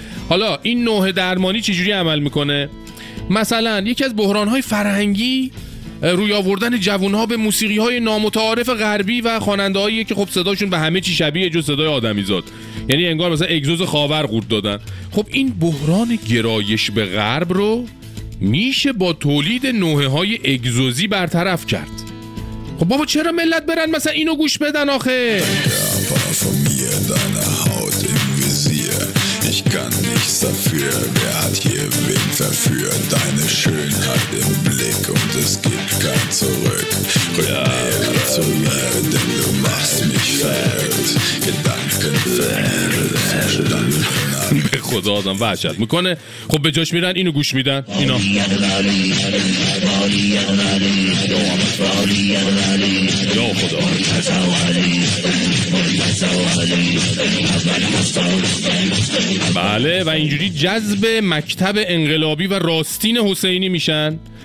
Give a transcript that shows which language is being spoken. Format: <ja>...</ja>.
<fa>حالا این نوحه درمانی چجوری عمل می‌کنه؟ مثلا یکی از بحران‌های فرهنگی روی آوردن جوانها به موسیقی‌های نامتعارف غربی و خواننده‌هایی که خب صداشون به همه چی شبیه جز صدای آدمیزاد، یعنی انگار مثلا اگزوز خاور قورت دادن. خب این بحران گرایش به غرب رو میشه با تولید نوحه‌های اگزوزی برطرف کرد. خب بابا چرا ملت برن مثلا اینو گوش بدن آخه؟</fa> <de>Dafür, wer hat hier wen verführt? Deine Schönheit im Blick und es gibt kein Zurück. Rück näher zu mir, denn du machst mich verrückt. Gedanken verändert, verstanden.</de> <fa>به خدا آدم وحشت میکنه. خب به جاش میرن اینو گوش میدن اینا. یا خدا بله، و اینجوری جذب مکتب انقلابی و راستین حسینی میشن.</fa>